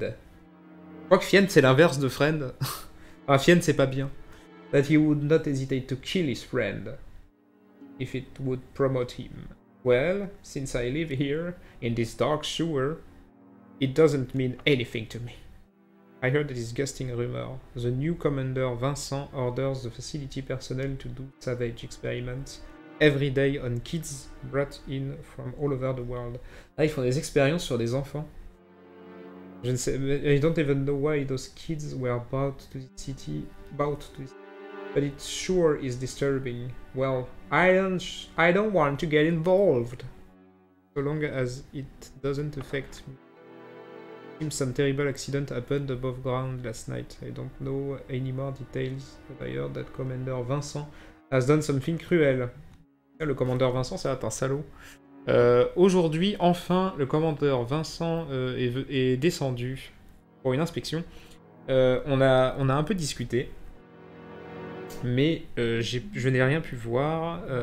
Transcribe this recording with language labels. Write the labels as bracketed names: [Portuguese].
[French] Je crois que Fiend, c'est l'inverse de Friend. Enfin, Fiend, c'est pas bien. [English] That he would not hesitate to kill his friend if it would promote him. Well, since I live here, in this dark sewer, it doesn't mean anything to me. I heard a disgusting rumor. The new commander Vincent orders the facility personnel to do savage experiments Every Day on Kids Brought In From All Over the World. [French] Ah, ils font des expériences sur des enfants. Je ne sais. [English] I don't even know why those kids were brought to the city. Brought to the city. But it sure is disturbing. Well, I don't want to get involved. So long as it doesn't affect me. Some terrible accident happened above ground last night. I don't know any more details. [French] D'ailleurs, [English] that commander Vincent has done something cruel. [French] Le commandeur Vincent, c'est un salaud. Aujourd'hui, enfin, le commandeur Vincent est descendu pour une inspection. On a un peu discuté, mais je n'ai rien pu voir.